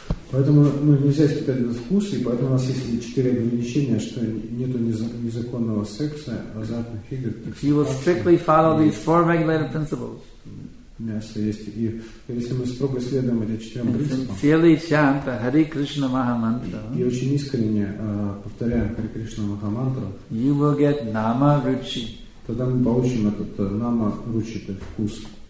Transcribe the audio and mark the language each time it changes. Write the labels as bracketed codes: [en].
[ru] Поэтому мы нельзя испытать этот вкус, и поэтому у нас есть четыре ограничения, что нету незаконного секса, азартных игр. [en] If you will strictly follow these four regulated principles. [ru] Если мы строго следуем этим четырем принципам, Hare Krishna Maha Mantra, и очень искренне повторяем Hare Krishna Maha Mantra, [en] you will get Nama Ruchi. [ru] Тогда мы получим этот Nama Ruchi, этот вкус.